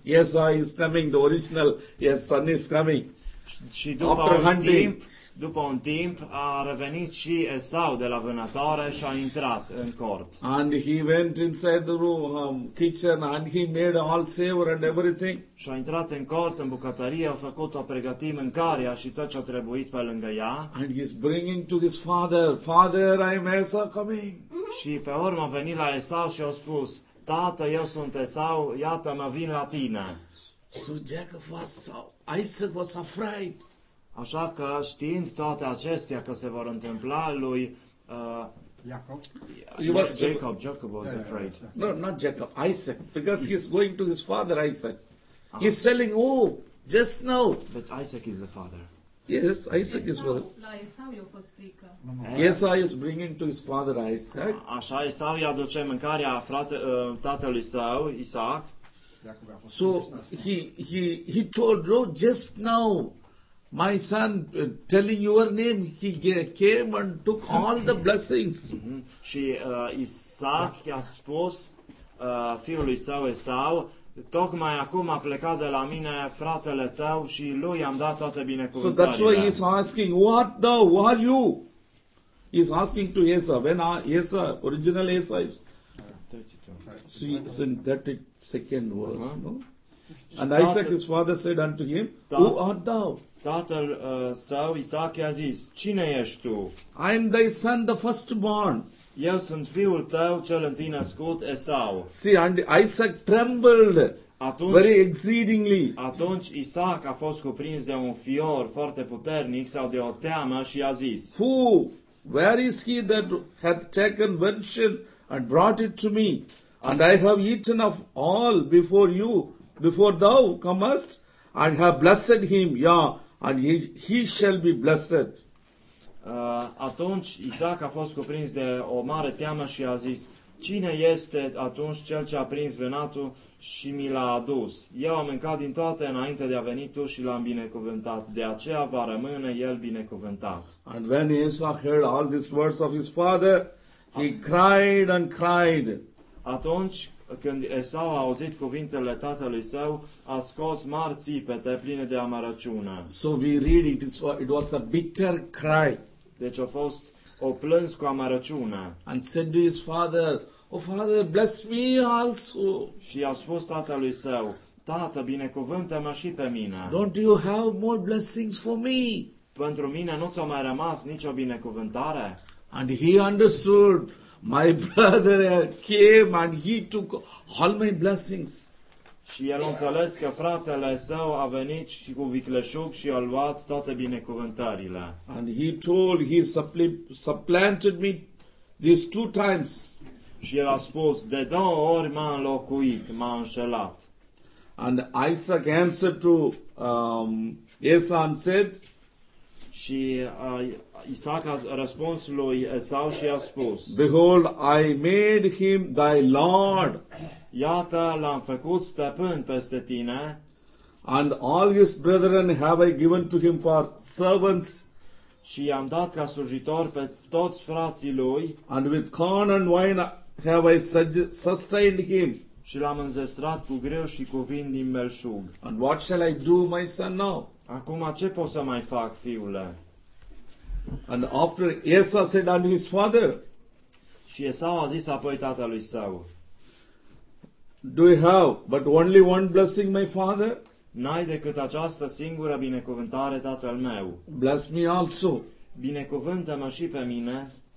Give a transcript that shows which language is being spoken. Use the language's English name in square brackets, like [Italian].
[English] Esau is coming, the original son is coming. [Romanian] Și după un timp, a revenit și Esau de la vânătoare și a intrat în cort. [English] And he went inside the room, kitchen, and he made all savor and everything. [Romanian] Și a intrat în cort, în bucătărie, a făcut o pregătim în caria și tot ce a trebuit pe lângă ea. [English] And he's bringing to his father, Father, I'm Esau coming. [Romanian] Și pe urmă a venit la Esau și a spus, Tată, eu sunt Esau, iată, mă vin la tine. [English] So Jacob was, Isaac was afraid. [Romanian] Așa că știind toate acestea că se vor întâmpla lui [English] Jacob was afraid. No, not Jacob, Isaac, because he's going to his father Isaac. He's telling, oh, just now. But Isaac is the father. Yes, Isaac is well. [Romanian] La Esau i-a fost frică. [English] Esau is bringing to his father Isaac. [Romanian] Așa, Esau i-a aduce mâncarea tatălui său, Isaac. [English] So he told, no, just now. My son, telling your name, he came and took all the blessings. [Romanian] Și Isaac i-a spus fiului său Esau, tocmai acum a plecat de la mine fratele tău și lui am dat toate binecuvântările. [English] So that's why he's asking, what now, who are you? He's asking to Esau, when Esau, original Esau is... 32. So it's in 32nd verse, uh-huh. No? And Isaac, his father, said unto him, who art thou? [Romanian] Tatăl său, Isaac, i-a zis, cine ești tu? [English] I am thy son, the firstborn. [Romanian] Eu sunt fiul tău, cel întâi născut, Esau. [English] See, and Isaac trembled [Romanian] atunci, [English] very exceedingly. [Romanian] Atunci Isaac a fost cuprins de un fior foarte puternic sau de o teamă și a zis, [English] who? Where is he that hath taken venison and brought it to me? And I have eaten of all before you, before thou comest? And have blessed him, yeah, and he shall be blessed. [Romanian] Atunci Isaac a fost cuprins de o mare teamă și a zis, cine este atunci cel ce a prins vânatul și mi l-a adus? Eu am mâncat din toate înainte de a veni tu și l-am binecuvântat. De aceea va rămâne el binecuvântat. [English] And when Isaac heard all these words of his father, he cried and cried. [Romanian] Atunci când Esau a auzit cuvintele tatălui său, a scos mari țipete pline de amărăciune. [English] So we read it was a bitter cry. [Romanian] Deci a fost o plâns cu amărăciune. [English] And said to his father, oh father, bless me also. [Romanian] Și a spus tatălui său, tată, binecuvântă-mă și pe mine. [English] Don't you have more blessings for me? [Romanian] Pentru mine nu ți-a mai rămas nicio binecuvântare? [English] And he understood. My brother came and he took all my blessings. [Romanian] Și el a înțeles că fratele său a venit și cu vicleșug și a luat toate binecuvântările. [English] And he told he supplanted me these two times. [Romanian] Și el a spus, de două ori m-a înlocuit, m-a înșelat. [English] And Isaac answered to Esau and said, [Romanian] și Isaac a răspuns lui Esau și a spus, [English] behold, I made him thy lord. [Romanian] Iată, l-am făcut stăpân peste tine. [English] And all his brethren have I given to him for servants. [Romanian] Și i-am dat ca slujitor pe toți frații lui. [English] And with corn and wine have I sustained him. [Romanian] Și l-am înzestrat cu greu și cu vin din belșug. [English] And what shall I do, my son, now? [Romanian] Acum ce pot să mai fac, fiule? [English] And after Esau said unto his father, [Romanian] și Esau a zis apoi tatălui său, [English] do you have but only one blessing, my father? [Romanian] N-ai decât această singură binecuvântare, tatăl meu. [English] Bless me also. [Romanian] Binecuvântă-mă și pe mine.